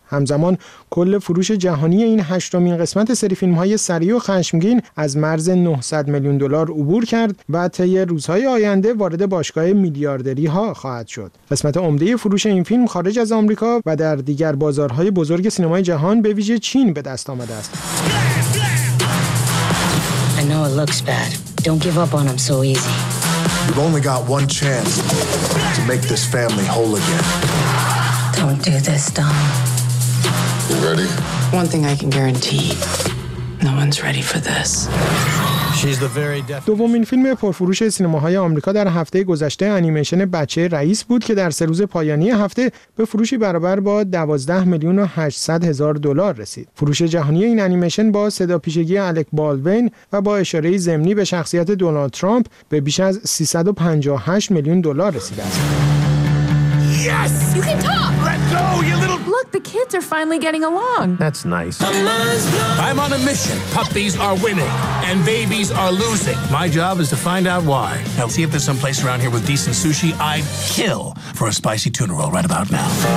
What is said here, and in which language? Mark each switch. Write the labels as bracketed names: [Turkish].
[Persian] همزمان کل فروش جهانی این هشتمین قسمت سری فیلم‌های سریع و خشمگین از مرز 900 میلیون دلار عبور کرد و طی روزهای آینده وارد باشگاه میلیاردری ها خواهد شد. قسمت عمده فروش این فیلم خارج از آمریکا و در دیگر بازارهای بزرگ سینمای جهان به ویژه چین به دست آمده است. [English] I know it looks bad. Don't give up on him so easy. You've only got one chance to make this family whole again. Don't do this, Dom. You ready? One thing I can guarantee. No one's ready for this. [Persian] دومین فیلم پرفروش سینماهای آمریکا در هفته گذشته انیمیشن بچه رئیس بود که در سه روز پایانی هفته به فروشی برابر با 12 میلیون و 800 هزار دلار رسید. فروش جهانی این انیمیشن با صداپیشگی الک بالوین و با اشاره ضمنی به شخصیت دونالد ترامپ به بیش از 358 میلیون دلار رسیده است. [English] Yes! You can talk! Let's go, you little... Look, the kids are finally getting along. That's nice. I'm on a mission. Puppies are winning, and babies are losing. My job is to find out why. Now, see if there's some place around here with decent sushi. I'd kill for a spicy tuna roll right about now.